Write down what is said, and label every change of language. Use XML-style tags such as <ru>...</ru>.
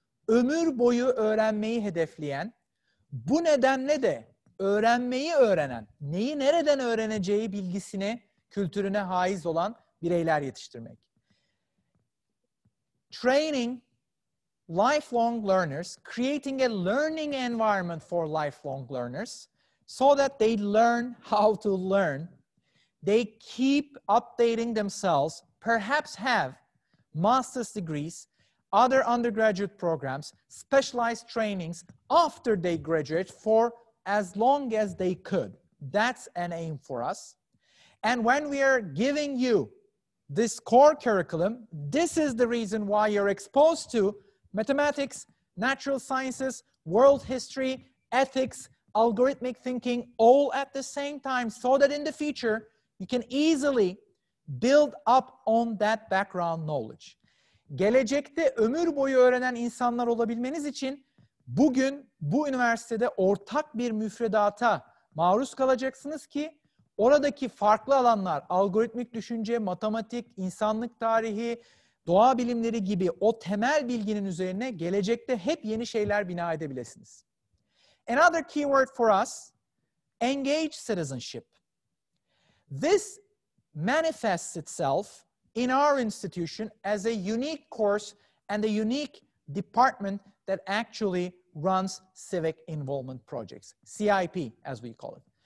<tr>Ömür boyu öğrenmeyi hedefleyen, bu nedenle de öğrenmeyi öğrenen, neyi nereden öğreneceği bilgisine, kültürüne haiz olan bireyler yetiştirmek.</tr> <en>Training lifelong learners, creating a learning environment for lifelong learners so that they learn how to learn. They keep updating themselves, perhaps have master's degrees, other undergraduate programs, specialized trainings after they graduate for as long as they could. That's an aim for us. And when we are giving you this core curriculum, this is the reason why you're exposed to mathematics, natural sciences, world history, ethics, algorithmic thinking, all at the same time, so that in the future, you can easily build up on that background knowledge.</en> <tr>Gelecekte ömür boyu öğrenen insanlar olabilmeniz için bugün bu üniversitede ortak bir müfredata maruz kalacaksınız ki oradaki farklı alanlar, algoritmik düşünce, matematik, insanlık tarihi, doğa bilimleri gibi o temel bilginin üzerine gelecekte hep yeni şeyler bina edebilirsiniz.</tr> <en>Another keyword for us, engaged citizenship. This manifests itself in our institution as a unique course and a unique department that actually runs civic involvement projects, CIP as we call it.</en>